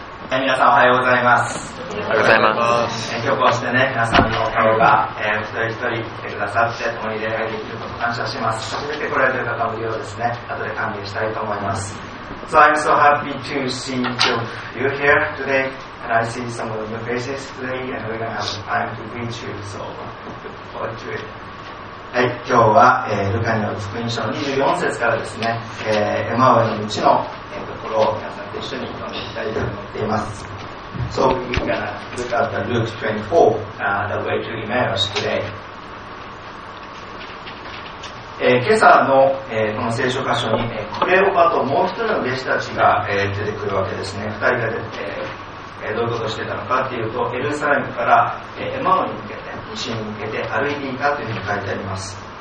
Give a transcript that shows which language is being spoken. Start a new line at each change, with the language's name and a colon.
Japanese: 皆さんおはようございます。おはようございます。今日こうしてね、皆さんの顔が、お一人一人来てくださって、共に礼拝できること感謝します。初めて来られている方もいるようですね。後で歓迎したいと思います。
English: So I'm so happy to see you here today, and I see some of your faces today, and we're going to have time to greet you, so look forward to it.
Japanese: はい、今日は、ルカによる福音書の24節からですね、エマオの道の、ところを皆さんと一緒に読んでいきたいと思っています。
English: So we're going to look at the Luke 24, the way to Emmaus today、
Japanese: 今朝の、この聖書箇所に、クレオパともう一人の弟子たちが、出てくるわけですね。二人が出て、どういうことをしてたのかっていうと、エルサレムから、エマオに向けて西に向けて歩いていたというふうに書いてあります。